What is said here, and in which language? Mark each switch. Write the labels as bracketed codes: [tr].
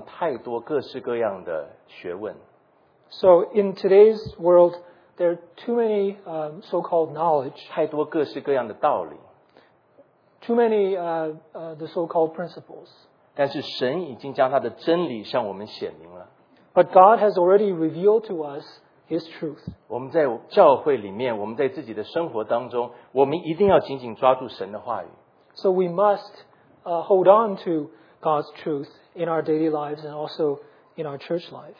[zh] 今天在这个世上太多各式各样的学问。 [en] So in today's world, there are too many so-called knowledge. [zh] 太多各式各样的道理。 [en] Too many the so-called principles. [zh] 但是神已经将他的真理向我们显明了。 [en] But God has already revealed to us His truth. [zh] 我们在教会里面, 我们在自己的生活当中, 我们一定要紧紧抓住神的话语。 [en] So we must hold on to God's truth in our daily lives and also in our church life.